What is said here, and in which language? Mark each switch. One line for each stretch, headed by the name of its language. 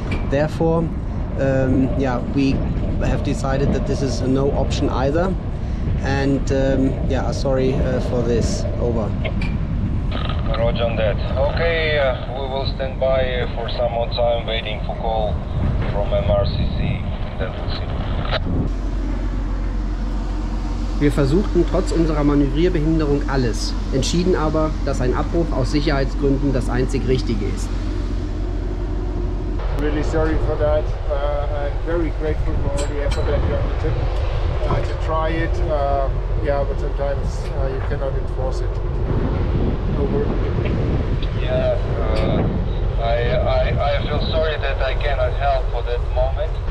English: Therefore, I have decided that this is no option either, and sorry for this. Over. Roger on that. Okay, we will stand by for some more time, waiting for call from MRCC. Then we'll see.
German: Wir versuchten trotz unserer Manövrierbehinderung alles, entschieden aber, dass ein Abbruch aus Sicherheitsgründen das einzig Richtige ist.
English: Really sorry for that. I'm very grateful for all the effort that you undertook to try it. But sometimes you cannot enforce it. Over. I feel sorry that I cannot help for that moment.